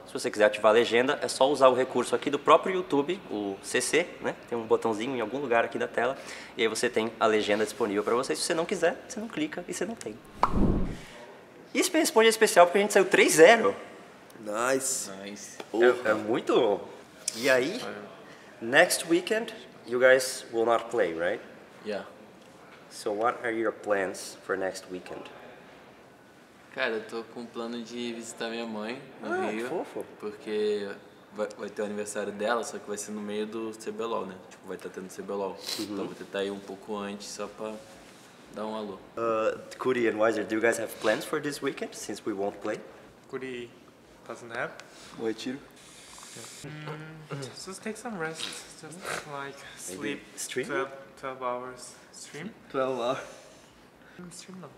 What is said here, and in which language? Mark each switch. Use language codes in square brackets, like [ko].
[pt] Se você quiser ativar a legenda, é só usar o recurso aqui do próprio YouTube, o CC, né? Tem um botãozinho em algum lugar aqui da tela, e aí você tem a legenda disponível para vocês. Se você não quiser, você não clica e você não tem. E esse Pen Responde é especial porque a gente saiu 3-0. [en] Nice. [pt] É muito bom. E aí, [en] next weekend, you guys will not play, right? Yeah. So what are your plans for next weekend? [pt] Cara, eu tô com um plano de visitar minha mãe no Rio. Ah, que fofo. Porque vai ter o aniversário dela, só que vai ser no meio do CBLOL, né? Tipo, vai estar tendo CBLOL. Uhum. Então vou tentar ir um pouco antes só pra dar um alô. [en] Kuri and Wiser, do you guys have plans for this weekend, since we won't play? Kuri, pass a nap. [pt] Boa tiro. [en] Just take some rest. Just like sleep. Maybe stream? 12 hours. Stream? 12 hours. [pt] Stream não.